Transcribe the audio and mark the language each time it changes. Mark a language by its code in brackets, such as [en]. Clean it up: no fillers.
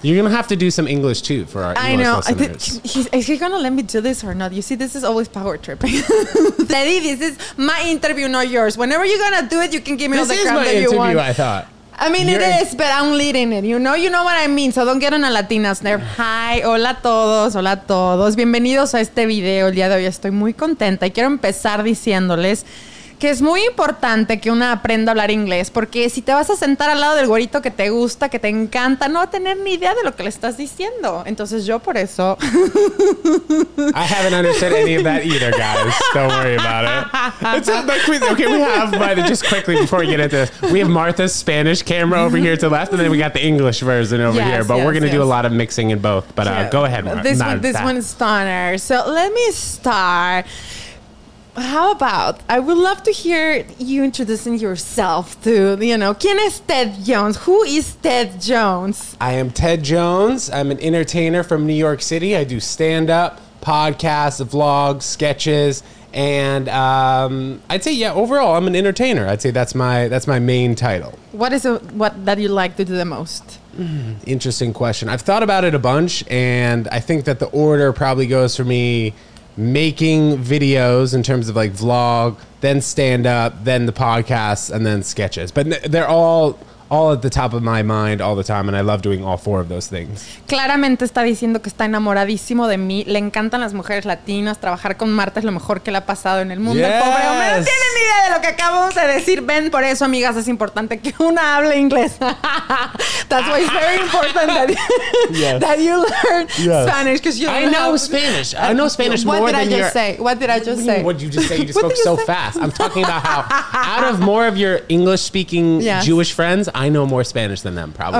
[en] You're going to have to do some English too for our English listeners. I know. Is he going to let me do this or not? You see, this is always power tripping. Teddy, this is my interview, not yours. Whenever you're going to do it, you can give me this all the crap that you This is my interview, I thought. I mean, it is, but I'm leading it. You know what I mean. So don't get on a Latina snare. Hi, [es] hola a todos, hola a todos. Bienvenidos a este video el día de hoy. Estoy muy contenta y quiero empezar diciéndoles que es muy importante que una aprenda a hablar inglés, porque si te vas a sentar al lado del güerito que te gusta, que te encanta, no va a tener ni idea de lo que le estás diciendo. Entonces yo por eso... [en] I haven't understood any of that either, guys. Don't worry about it. Okay, we have, by the just quickly before we get into this, we have Martha's Spanish camera over here to the left, and then we got the English version over here, but we're going to do a lot of mixing in both. But go ahead, Martha. This one's stunner. So let me start... How about, I would love to hear you introducing yourself to, you know, [es] ¿quién es Ted Jones? [en] Who is Ted Jones? I am Ted Jones. I'm an entertainer from New York City. I do stand-up, podcasts, vlogs, sketches, and I'd say, overall, I'm an entertainer. I'd say that's my main title. What is what that you like to do the most? Interesting question. I've thought about it a bunch, and I think that the order probably goes for me... making videos in terms of like vlog, then stand up, then the podcast, and then sketches. But they're all at the top of my mind all the time, and I love doing all four of those things. [es] Claramente está diciendo que está enamoradísimo de mí. Le encantan las mujeres latinas. Trabajar con Marta es lo mejor que le ha pasado en el mundo. Yes. El pobre hombre no tiene ni idea de lo que acabamos de decir. Ven, por eso, amigas, es importante que una hable inglés. [en] That's why it's very important that, that you learn Spanish. Because I know Spanish. I know Spanish more than you. What did I just say? What did you just say? You just spoke so fast. I'm talking about how out of more of your English-speaking Jewish friends, I know more Spanish than them, probably.